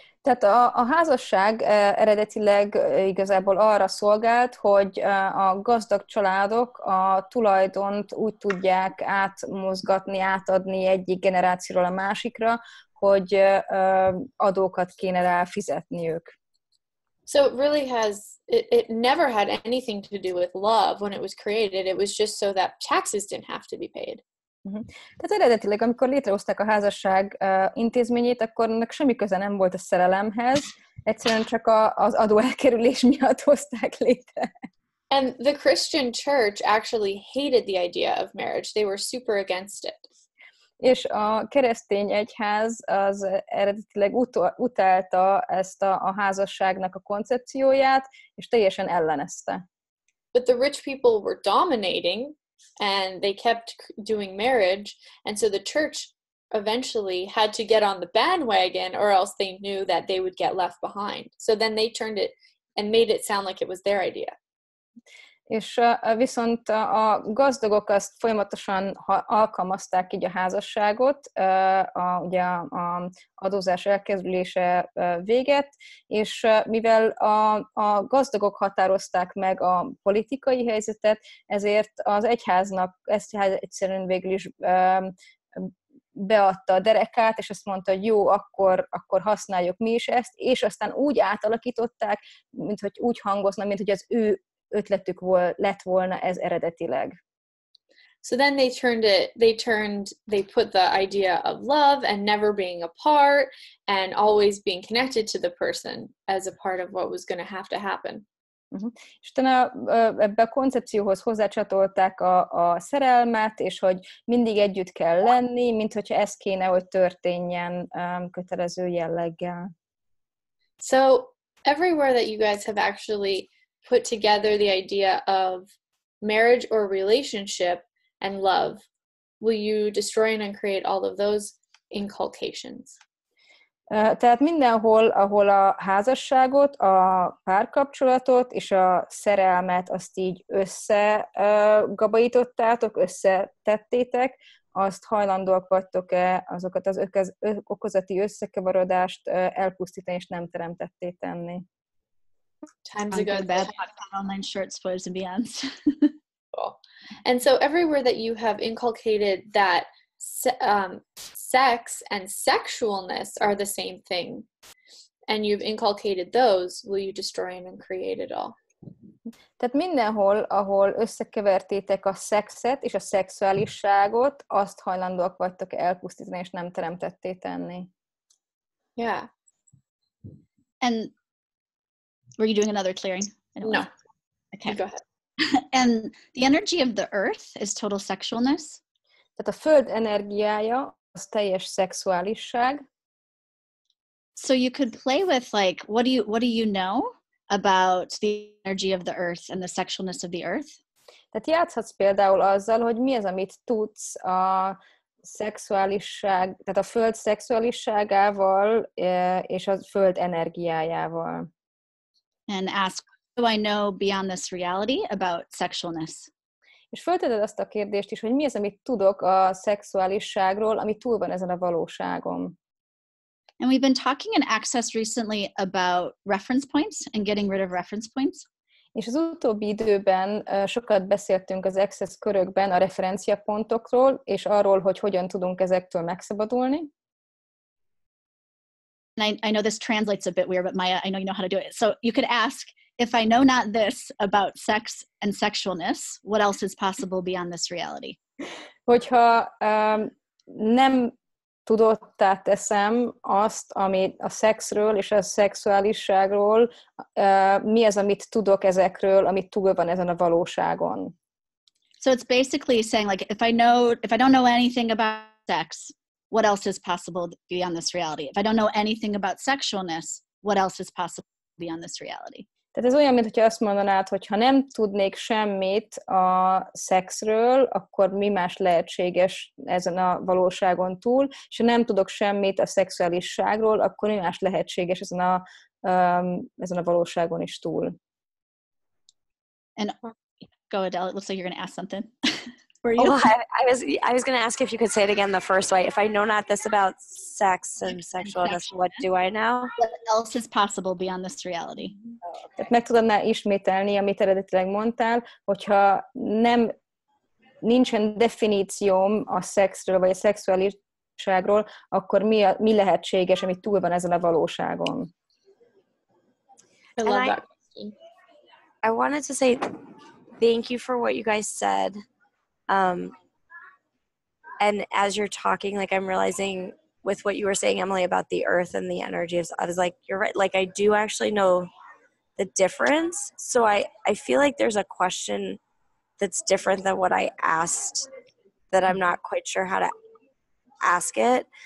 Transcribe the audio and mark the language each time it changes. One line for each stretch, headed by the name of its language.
Hungarian: Tehát a házasság eredetileg igazából arra szolgált, hogy a gazdag családok a tulajdont úgy tudják átmozgatni, átadni egyik generációról a másikra, hogy adókat kéne rá fizetniük.
English: So it really has, it never had anything to do with love when it was created, it was just so that taxes didn't have to be paid. Uh-huh.
Hungarian: Tehát eredetileg, amikor létrehozták a házasság intézményét, akkor ennek semmi köze nem volt a szerelemhez, egyszerűen csak az adó elkerülés miatt hozták létre.
English: And the Christian church actually hated the idea of marriage. They were super against it. És a keresztény egyház az eredetileg utálta ezt a házasságnak a koncepcióját, és teljesen ellenezte. But the rich people were dominating. And they kept doing marriage, and so the church eventually had to get on the bandwagon, or else they knew that they would get left behind. So then they turned it and made it sound like it was their idea.
Hungarian: És viszont a gazdagok azt folyamatosan alkalmazták így a házasságot, ugye a adózás elkezdülése véget, és mivel a gazdagok határozták meg a politikai helyzetet, ezért az egyháznak ezt egyszerűen végül is beadta a derekát, és azt mondta, hogy jó, akkor használjuk mi is ezt, és aztán úgy átalakították, mint hogy az ő ötletük lett volna ez eredetileg.
English: So then they put the idea of love and never being apart and always being connected to the person as a part of what was going to have to happen.
Hungarian: Uh-huh. És utána ebbe a koncepcióhoz hozzácsatolták a szerelmet, és hogy mindig együtt kell lenni, minthogyha ez kéne, hogy történjen kötelező jelleggel.
English: So everywhere that you guys have actually put together the idea of marriage or relationship and love, will you destroy and uncreate all of those inculcations?
Hungarian: Tehát mindenhol, ahol a házasságot, a párkapcsolatot és a szerelmet azt így összegabaitottátok, összetettétek, azt hajlandóak vagytok-e azokat az okozati összekeveredést elpusztítani és nem teremtetté tenni?
English: Time to go to bed. Online shirts, boys and beyonds. And so everywhere that you have inculcated that sex and sexualness are the same thing, and you've inculcated those, will you destroy and create it all?
Hungarian: Tehát mindenhol, ahol összekevertétek a szexet és a szexuálisságot, azt hajlandóak vagytok elpusztítani és nem teremtetté tenni.
English: Yeah. And were you doing another clearing? No. Okay. Go ahead. And the energy of the earth is total sexualness.
Hungarian: tehát a föld energiája az teljes szexuálisság.
English: So you could play with like, what do you know about the energy of the earth and the sexualness of the earth?
Hungarian: Tehát játszhatsz például azzal, hogy mi az, amit tudsz a szexuálisság, tehát a föld szexuálisságával és a föld energiájával.
English: And ask, what do I know beyond this reality about sexualness?
Hungarian: És fölteted azt a kérdést is, hogy mi az, amit tudok a szexuálisságról, ami túl van ezen a valóságon.
English: And we've been talking in Access recently about reference points and getting rid of reference points.
Hungarian: És az utóbbi időben sokat beszéltünk az Access körökben a referenciapontokról, és arról, hogy hogyan tudunk ezektől megszabadulni.
English: And I know this translates a bit weird, but Maya, I know you know how to do it. So you could ask, if I know not this about sex and sexualness, what else is possible beyond this reality?
Hungarian: Hogyha nem tudottá teszem azt, amit a szexről és a szexuálisságról, mi az, amit tudok ezekről, amit túl van ezen a valóságon.
English: So it's basically saying, like, if I don't know anything about sex, what else is possible beyond this reality? If I don't know anything about sexualness, what else is possible beyond this reality?
Hungarian: Tehát ez olyan, mintha azt mondanád, hogy ha nem tudnék semmit a szexről, akkor mi más lehetséges ezen a valóságon túl, és ha nem tudok semmit a szexuálisságról, akkor mi más lehetséges ezen a valóságon is túl.
English: And go, Adele, it looks like you're going to ask something. Were you? I was going to ask if you could say it again the first way. If I know not this about sex and sexualness, what do I know? What else is possible beyond this reality?
Hungarian: Tehát meg tudnál ismételni, amit eredetileg mondtál, hogyha nincsen definícióm a szexről vagy a szexualitásról, akkor mi lehetséges, ami túl van ezen a valóságon?
English: I wanted to say thank you for what you guys said. And as you're talking, like, I'm realizing with what you were saying, Emily, about the earth and the energy, I was like, you're right. Like, I do actually know the difference. So I feel like there's a question that's different than what I asked that I'm not quite sure how to ask it.